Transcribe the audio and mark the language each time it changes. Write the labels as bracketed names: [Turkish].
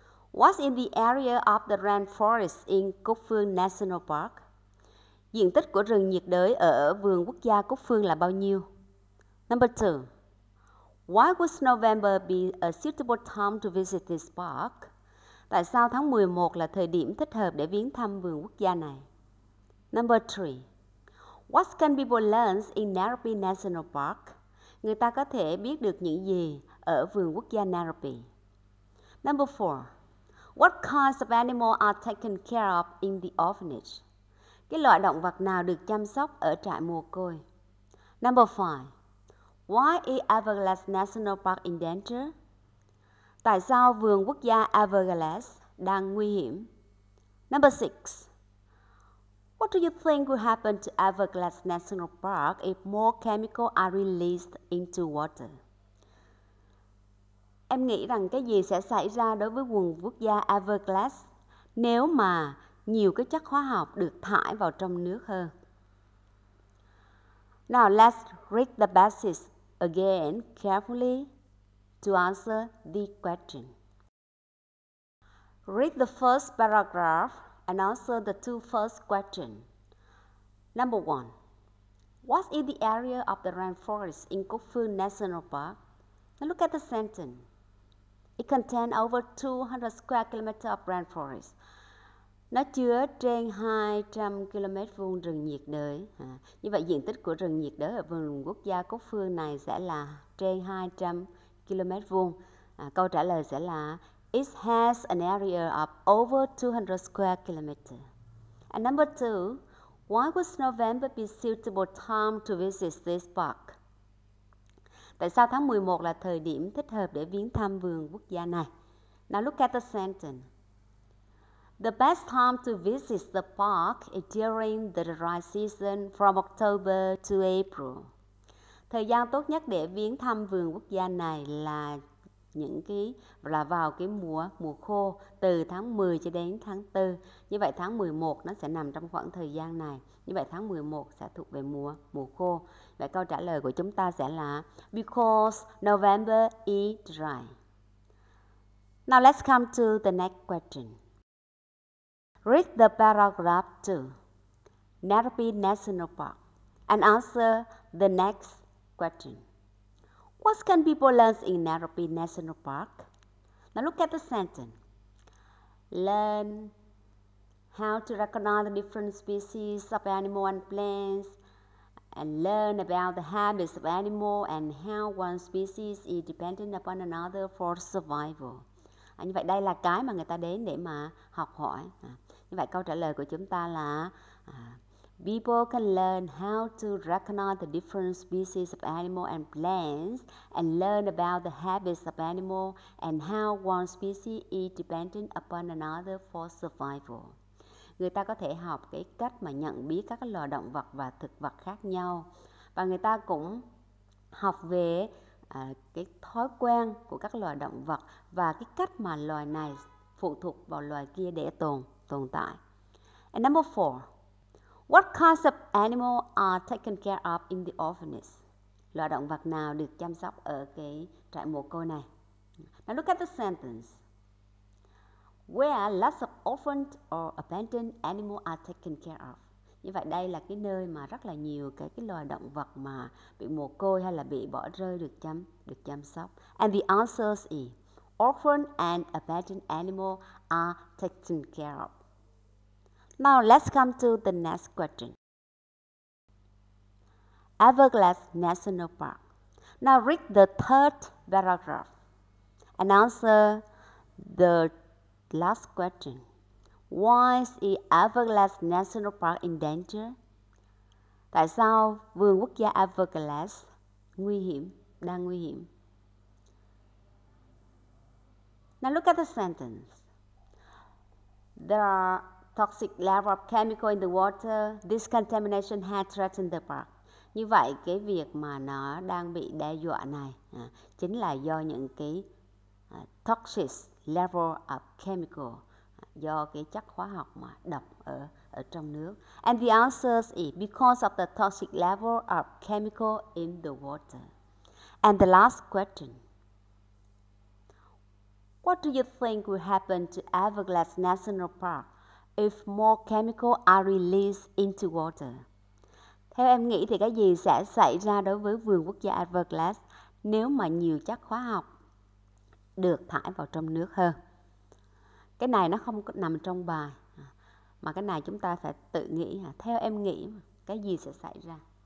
[English] What's in the area of the rainforest in Cúc Phương National Park? [Vietnamese] Diện tích của rừng nhiệt đới ở vườn quốc gia Cúc Phương là bao nhiêu? [English] Number 2. Why would November be a suitable time to visit this park? [Vietnamese] Tại sao tháng 11 là thời điểm thích hợp để viếng thăm vườn quốc gia này? [English] Number 3. What can people learn in Nairobi National Park? [Vietnamese] Người ta có thể biết được những gì ở vườn quốc gia Nairobi. [English] Number 4. What kinds of animals are taken care of in the orphanage? [Vietnamese] Cái loại động vật nào được chăm sóc ở trại mồ côi? [English] Number 5. Why is Everglades National Park in danger? [Vietnamese] Tại sao vườn quốc gia Everglades đang nguy hiểm? [English] Number 6. What do you think will happen to Everglades National Park if more chemicals are released into water? [Vietnamese] Em nghĩ rằng cái gì sẽ xảy ra đối với vườn quốc gia Everglades nếu mà nhiều cái chất hóa học được thải vào trong nước hơn? [English] Now let's read the passage again carefully to answer the question. Read the first paragraph and answer the two first questions. Number one, what is the area of the rainforest in Quốc Phương National Park? Now look at the sentence. It contains over 200 square kilometers of rainforest. [Vietnamese] Nó chứa trên 200 km vuông rừng nhiệt đới. Như vậy diện tích của rừng nhiệt đới ở vườn quốc gia Quốc Phương này sẽ là trên 200 km vuông. Câu trả lời sẽ là [English] it has an area of over 200 square kilometers. And number two, why was November be suitable time to visit this park? [Vietnamese] Tại sao tháng 11 là thời điểm thích hợp để viếng thăm vườn quốc gia này? [English] Now look at the sentence. The best time to visit the park is during the dry season from October to April. [Vietnamese] Thời gian tốt nhất để viếng thăm vườn quốc gia này là những cái là vào cái mùa khô từ tháng 10 cho đến tháng 4. Như vậy tháng 11 nó sẽ nằm trong khoảng thời gian này. Như vậy tháng 11 sẽ thuộc về mùa khô. Vậy câu trả lời của chúng ta sẽ là [English] because November is dry. Now let's come to the next question. Read the paragraph 2. Narapi National Park and answer the next question. What can people learn in Narapi National Park? Now look at the sentence. Learn how to recognize the different species of animals and plants, and learn about the habits of animals and how one species is dependent upon another for survival. [Vietnamese] À, như vậy đây là cái mà người ta đến để mà học hỏi. À, như vậy câu trả lời của chúng ta là [English] people can learn how to recognize the different species of animals and plants and learn about the habits of animals and how one species is dependent upon another for survival. [Vietnamese] Người ta có thể học cái cách mà nhận biết các loài động vật và thực vật khác nhau. Và người ta cũng học về cái thói quen của các loài động vật và cái cách mà loài này phụ thuộc vào loài kia để tồn tại. [English] And number four. What kinds of animals are taken care of in the orphanage? [Vietnamese] Loài động vật nào được chăm sóc ở cái trại mồ côi này? [English] Now look at the sentence. Where lots of orphaned or abandoned animals are taken care of. [Vietnamese] Như vậy đây là cái nơi mà rất là nhiều cái loài động vật mà bị mồ côi hay là bị bỏ rơi được chăm sóc. [English] And the answer is orphaned and abandoned animals are taken care of. Now let's come to the next question. Everglades National Park. Now read the third paragraph and answer the last question. Why is Everglades National Park in danger? Tại sao vườn quốc gia Everglades đang nguy hiểm? Now look at the sentence. There are toxic level of chemical in the water. This contamination has threatened the park. [Vietnamese] Như vậy, cái việc mà nó đang bị đe dọa này chính là do những cái [English] toxic level of chemical, [Vietnamese] do cái chất hóa học mà độc ở trong nước. [English] And the answer is because of the toxic level of chemical in the water. And the last question. What do you think will happen to Everglades National Park if more chemicals are released into water? [Vietnamese] Theo em nghĩ thì cái gì sẽ xảy ra đối với vườn quốc gia Everglades nếu mà nhiều chất hóa học được thải vào trong nước hơn? Cái này nó không nằm trong bài, mà cái này chúng ta phải tự nghĩ. Theo em nghĩ, cái gì sẽ xảy ra?